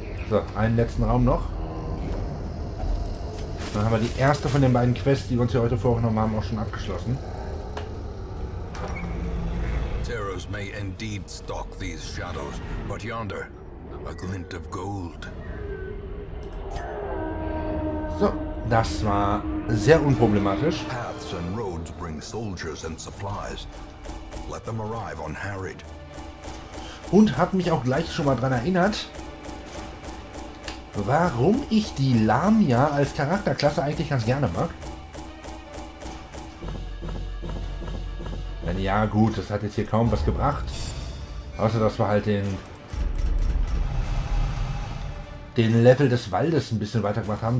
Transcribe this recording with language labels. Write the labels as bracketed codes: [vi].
[de] So, einen letzten Raum noch. Dann haben wir die erste von den beiden Quests, die wir uns hier heute vorgenommen haben, auch schon abgeschlossen. [en] Terrors may indeed stalk these shadows, but yonder, a glint of gold. [de] So, das war sehr unproblematisch. [en] Paths and roads bring soldiers and supplies. Let them arrive on Harrod. [de] Und hat mich auch gleich schon mal dran erinnert, warum ich die Lamia als Charakterklasse eigentlich ganz gerne mag. Denn ja, gut, das hat jetzt hier kaum was gebracht. Außer, dass wir halt den Level des Waldes ein bisschen weiter gemacht haben.